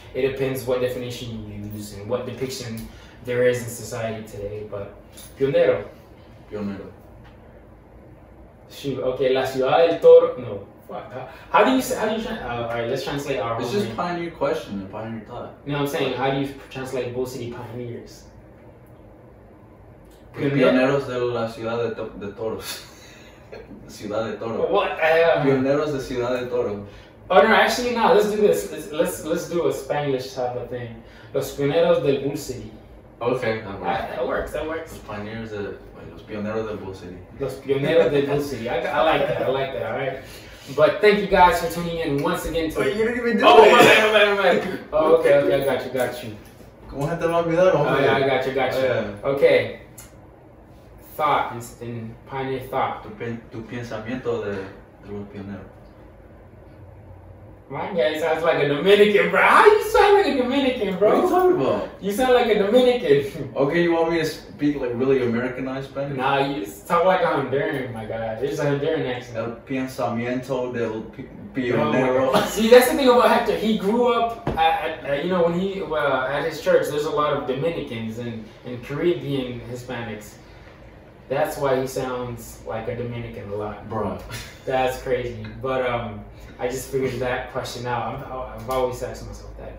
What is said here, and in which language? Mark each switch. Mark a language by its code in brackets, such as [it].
[en] It depends what definition you use and what depiction there is in society today. [es] But pionero. Pionero. [en] Shoot, okay, [es] La Ciudad del Toro. [en] No. How do you say, alright, let's translate our... It's just name. Pioneer question, a pioneer thought. No, I'm saying, how do you translate Bull City Pioneers? [es] Pioneros de la Ciudad de Toros. Ciudad de Toro. [en] What? [es] Pioneros de Ciudad de Toro. [en] Oh, no, actually, no, let's do this. Let's do a Spanish type of thing. [es] Los Pioneros de Bull City. [en] Okay, that works. [es] Los Pioneros de... Los Pioneros de Bull City. [en] Los Pioneros de Bull City. I like that, alright? But thank you guys for tuning in once again to... Wait, you didn't even do it! Oh, my bad. Oh, okay, I got you. [es] ¿Cómo se te va a olvidar? [en] Oh, yeah, I got you. Oh, yeah. Okay. Thought, in pioneer thought. [es] Tu pensamiento de los pioneros. [en] My guy sounds like a Dominican, bro. How you sound like a Dominican, bro? What are you talking about? You sound like a Dominican. Okay, you want me to speak like really Americanized Spanish? Nah, you talk like a Honduran, my guy. It's a Honduran accent. [es] El pensamiento del pionero. [en] See, that's the thing about Hector. He grew up, at his church, there's a lot of Dominicans and Caribbean Hispanics. That's why he sounds like a Dominican a lot. Bro. That's crazy. But I just figured that question out. I've always asked myself that.